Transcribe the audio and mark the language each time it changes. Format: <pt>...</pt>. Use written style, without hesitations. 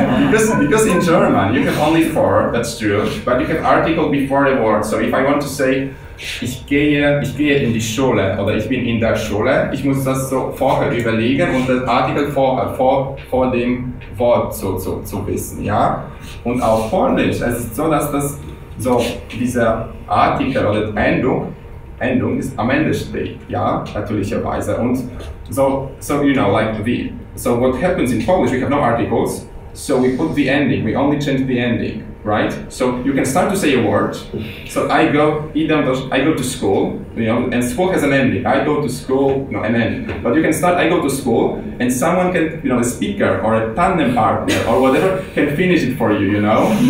<en>because in German you have only four, that's true, but you have article before the word. So if I want to say,</en> <de>ich gehe in die Schule oder ich bin in der Schule, ich muss das so vorher überlegen und das Artikel vor dem Wort zu wissen, ja? Und auch Polnisch, es ist so, dass das so dieser Artikel oder Endung ist am Ende steht, ja, natürlicherweise. Und so,</de> <en>you know, like the, so what happens in Polish, we have no articles, so we put the ending, we only change the ending. Right? So you can start to say a word. So I go to school, you know, and school has an ending. I go to school, no, an ending. But you can start, I go to school, and someone can, you know, a speaker or a tandem partner or whatever can finish it for you, you know?</en>